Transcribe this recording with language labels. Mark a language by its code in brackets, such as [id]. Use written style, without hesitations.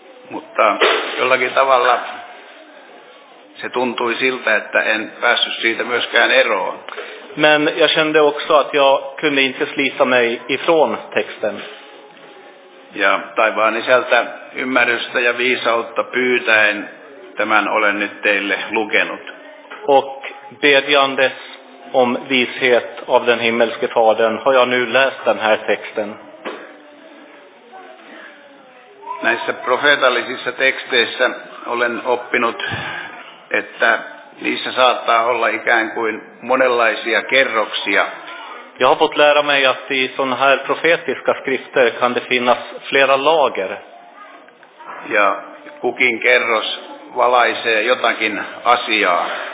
[fi] Mutta jollakin tavalla se tuntui siltä, että en päässyt siitä myöskään eroon. [sv] Men jag kände också att jag kunde inte slita mig ifrån texten. [fi] Ja taivaan isältä ymmärrystä ja viisautta pyytäen tämän olen nyt teille lukenut. [sv] Och bedjandes om vishet av den himmelske fadern har jag nu läst den här texten. [fi] Näissä profeetallisissa teksteissä olen oppinut, että niissä saattaa olla ikään kuin monenlaisia kerroksia. [sv] Jag har fått lära mig att i sådana här profetiska skrifter kan det finnas flera lager. [fi] Ja kukin kerros valaisee jotakin asiaa.